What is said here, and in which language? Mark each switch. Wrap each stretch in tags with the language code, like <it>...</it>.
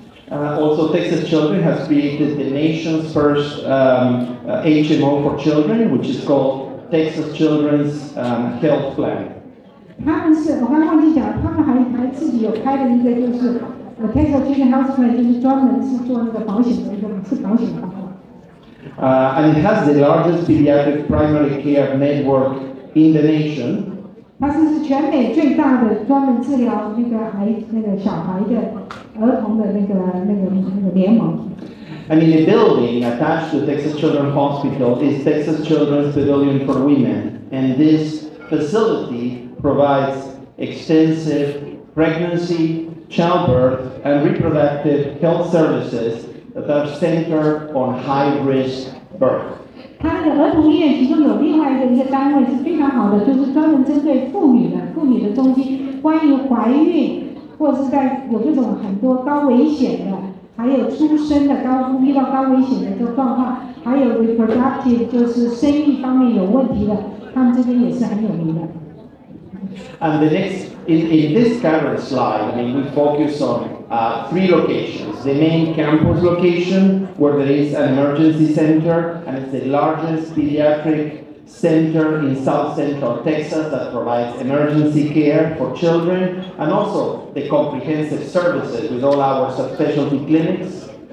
<en>Also, Texas Children has created the nation's first HMO for children, which is called Texas Children's Health Plan.</en> <zh>他们是我刚忘记讲，他们还自己有开的一个，就是 Texas Children Health Plan， 就是专门是做那个保险的，是保险的。</zh> <en>And it has the largest pediatric primary care network in the nation.</en> <zh>它是全美最大的专门治疗那个小孩的儿童的那个联盟。</zh> <en>And in the building attached to Texas Children's Hospital is Texas Children's Pavilion for Women, and this facility provides extensive pregnancy, childbirth, and reproductive health services that are centered on high-risk birth.</en> <zh>他那个儿童医院其中有另外一个单位是非常好的，就是专门针对妇女的中心，关于怀孕或者是在有这种很多高危险的，还有出生的遇到高危险的这个状况，还有 reproductive 就是生育方面有问题的，他们这边也是很有名的。</zh> <en>And the next in this current slide, I mean, we focus on three locations. The main campus location, where there is an emergency center, and it's the largest pediatric center in South Central Texas that provides emergency care for children, and also the comprehensive services with all our subspecialty clinics.</en>